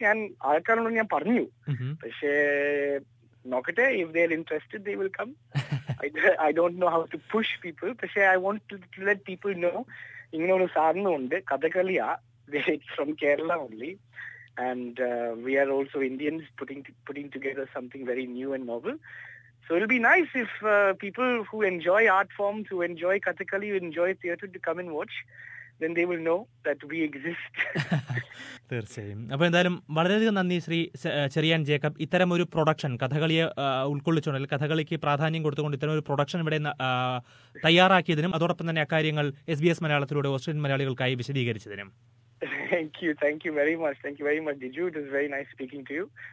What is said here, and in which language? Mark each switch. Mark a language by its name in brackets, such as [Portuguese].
[Malayalam] ഞാൻ ആൾക്കാരോട് ഞാൻ പറഞ്ഞു, പക്ഷേ നോക്കട്ടെ, [English] If they are interested they will come. I don't know how to push people, പക്ഷേ I want to let people know [Malayalam] ഇങ്ങനെ ഒരു സാധനമുണ്ട്. [English] കഥകളിയാ, they it's from Kerala only. And we are also Indians putting together something very new and novel. So it'll be nice if people who enjoy art forms, who enjoy Kathakali, who enjoy theatre, to come and watch. Then they will know that we exist. [Malayalam] തീർച്ചയായും. അപ്പൊ എന്തായാലും വളരെയധികം നന്ദി Shri Cherian Jacob. ഇത്തരം ഒരു production കഥകളിയെ ഉൾക്കൊള്ളിച്ചുകൊണ്ട് അല്ലെങ്കിൽ കഥകളിക്ക് പ്രാധാന്യം കൊടുത്തുകൊണ്ട് ഇത്തരം ഒരു പ്രൊഡക്ഷൻ ഇവിടെ തയ്യാറാക്കിയതിനും അതോടൊപ്പം തന്നെ അക്കാര്യങ്ങൾ SBS മലയാളത്തിലൂടെ Australian മലയാളികൾക്കായി വിശദീകരിച്ചതിനും. [English] Thank you very much. Diju, it was very nice speaking to you.